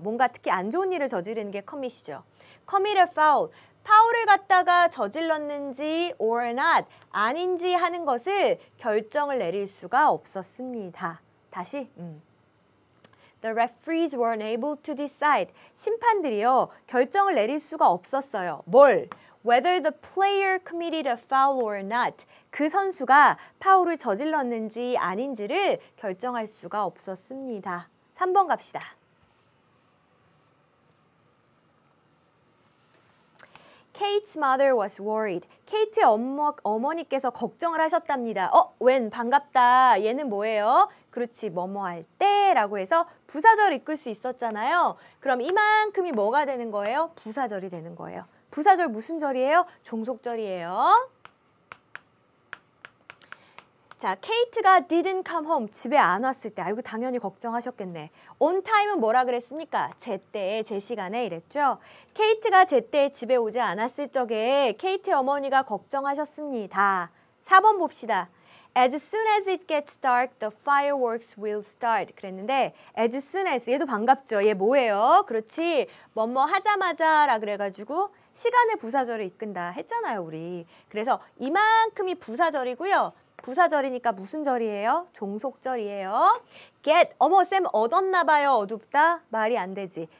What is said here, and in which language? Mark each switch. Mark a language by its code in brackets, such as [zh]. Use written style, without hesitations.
[ko] 뭔가 특히 안 좋은 일을 저지르는 게 commit이죠. [en] Commit a foul, [ko] 파울을 갖다가 저질렀는지 [en] or not, [ko] 아닌지 하는 것을 결정을 내릴 수가 없었습니다. 다시, [en] The referees were unable to decide. [ko] 심판들이요. 결정을 내릴 수가 없었어요. 뭘? [en] Whether the player committed a foul or not. [ko] 그 선수가 파울을 저질렀는지 아닌지를 결정할 수가 없었습니다. 3번 갑시다. [en] Kate's mother was worried. [ko] 케이트의 어머니께서 걱정을 하셨답니다. 어, when 반갑다. 얘는 뭐예요? 그렇지, 뭐뭐 할 때라고 해서 부사절 이끌 수 있었잖아요. 그럼 이만큼이 뭐가 되는 거예요? 부사절이 되는 거예요. 부사절 무슨 절이에요? 종속절이에요. 자, 케이트가 [en] didn't come home, [ko] 집에 안 왔을 때, 아이고 당연히 걱정하셨겠네. [en] On time은 [ko] 뭐라 그랬습니까? 제때에, 제 시간에 이랬죠. 케이트가 제때에 집에 오지 않았을 적에 케이트 어머니가 걱정하셨습니다. 4번 봅시다. [en] As soon as it gets dark, the fireworks will start. [ko] 그랬는데, [en] as soon as, [ko] 얘도 반갑죠. 얘 뭐예요? 그렇지. 뭐뭐 하자마자 라 그래가지고 시간의 부사절을 이끈다 했잖아요, 우리. 그래서 이만큼이 부사절이고요. 부사절이니까 무슨 절이에요? 종속절이에요. Get, 어머 쌤 얻었나 봐요. 어둡다? 말이 안 되지.